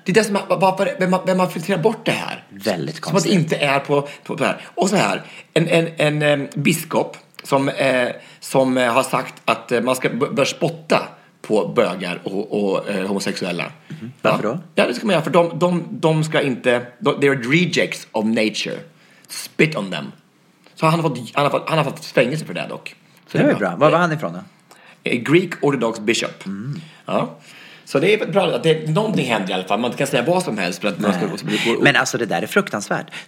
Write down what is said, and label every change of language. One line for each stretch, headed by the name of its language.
Swedish: Det är det som, vem har filtrerat bort det här? Väldigt konstigt. Som att det inte är på det här. Och så här, en biskop som har sagt att man ska bör spotta på bögar och homosexuella. Mm. Varför då? Ja, det ska man göra. För de ska inte...
English: They are rejects of nature. Spit on them.
Swedish: Så han har fått fängelse för det dock. Så det är bra. Var han ifrån då?
English: Greek Orthodox Bishop. Mm.
Swedish: Ja. Så det är bra att det, någonting händer i alla fall. Man kan säga vad som helst. För att man ska också bli, men alltså det där är fruktansvärt.